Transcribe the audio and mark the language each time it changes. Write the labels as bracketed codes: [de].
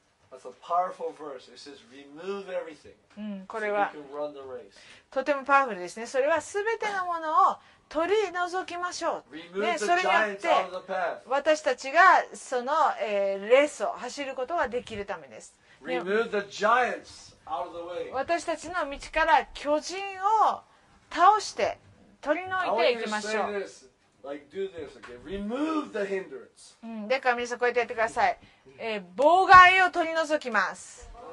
[en] That's a powerful verse. It says, remove everything. [ja] これはとてもパワフルですね。それは全てのものを取り除きましょう、ね、それによって私たちがその、レースを走ることができるためです、 [en] ね、remove the giants out of the way. [ja] 私たちの道から巨人を倒して取り除いていきましょう。 [en] Like, do this again. Remove the hindrance. [ja] だから皆さんこうやってやってください。妨害を取り除きます。